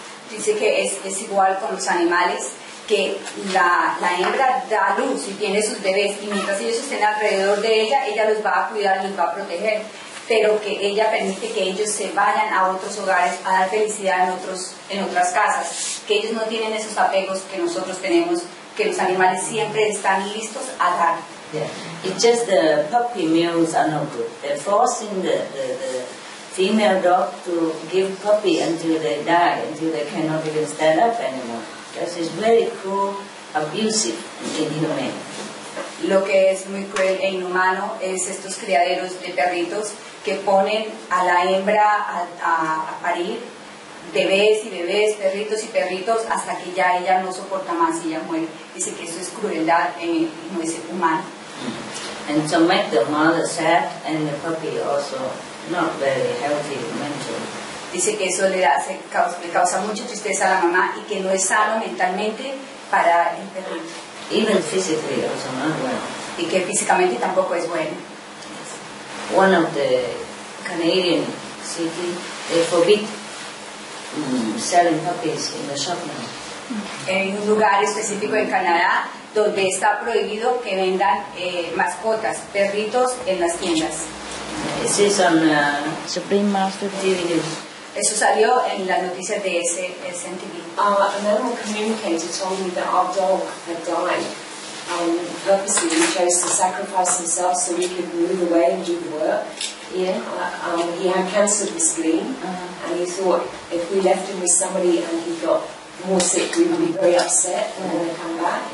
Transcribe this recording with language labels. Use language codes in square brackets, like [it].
[es] Dice que es igual con los animales, que la hembra da luz y tiene sus bebés, y mientras ellos estén alrededor de ella, ella los va a cuidar, los va a proteger, pero que ella permite que ellos se vayan a otros hogares a dar felicidad en otras casas, que ellos no tienen esos apegos que nosotros tenemos, que los animales siempre están listos a dar. [en] Yeah. It's just the puppy meals are no good. They're forcing the female dog to give puppy until they die, until they cannot even stand up anymore. That is very cruel, abusive, and inhumane. [es] Lo que es muy cruel e inhumano es estos criaderos de perritos que ponen a la hembra a parir bebés y bebés, perritos y perritos, hasta que ya ella no soporta más y ya muere. Dice que eso es crueldad, no es humano. [en] And so make the mother sad and the puppy also not very healthy mentally. [es] Dice que eso le causa mucha tristeza a la mamá y que no es sano mentalmente para el perro. [en] Even physically also not well. [es] Y que físicamente tampoco es bueno. [en] Yes. One of the Canadian cities, they forbid selling puppies in the shop now. [es] En un lugar específico en Canadá donde está prohibido que vendan mascotas, perritos en las tiendas. [en] This is on Supreme Master TV. [es] Eso salió en las noticias de ese TV. [en] An animal communicator told me that our dog had died purposely. He chose to sacrifice himself so we could move away and do the work. Yeah. He had cancer of the spleen, uh-huh. And he thought if we left him with somebody and he got more sick, we would be very upset when they come back.